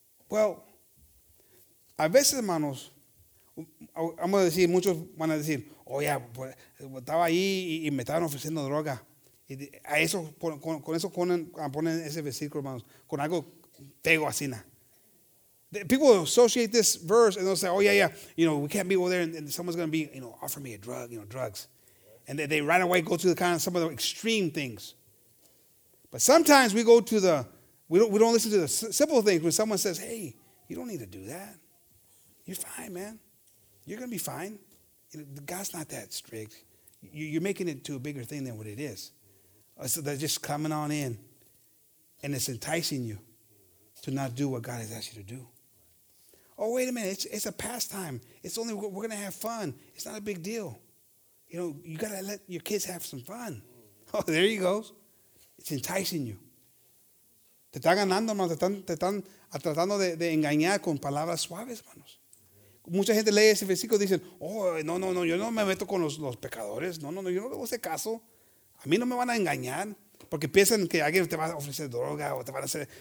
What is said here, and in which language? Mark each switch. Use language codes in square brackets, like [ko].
[es] Well, a veces, hermanos, vamos a decir, muchos van a decir, oh, ya, pues, estaba ahí y me estaban ofreciendo droga. Y a eso, ponen ese versículo, hermanos, con algo feo así. [en] People associate this verse and they'll say, oh, yeah, yeah, you know, we can't be over there and someone's going to be, you know, offer me a drug, you know, drugs. And they right away go to the kind of some of the extreme things. But sometimes we go to the, we don't listen to the simple things when someone says, hey, you don't need to do that. You're fine, man. You're going to be fine. You know, God's not that strict. You're making it to a bigger thing than what it is. So they're just coming on in and it's enticing you to not do what God has asked you to do. Oh, wait a minute. It's a pastime. It's only, we're going to have fun. It's not a big deal. You know, you got to let your kids have some fun. Oh, there he goes. It's enticing you. Te están ganando, hermanos. [es] Te están tratando de engañar con palabras suaves, hermanos. Mucha gente lee ese versículo y dicen, oh, no, yo no me meto con los pecadores. No, yo no le voy a hacer caso. A mí no me van a engañar. Porque piensan que alguien te va a ofrecer droga o te van a hacer...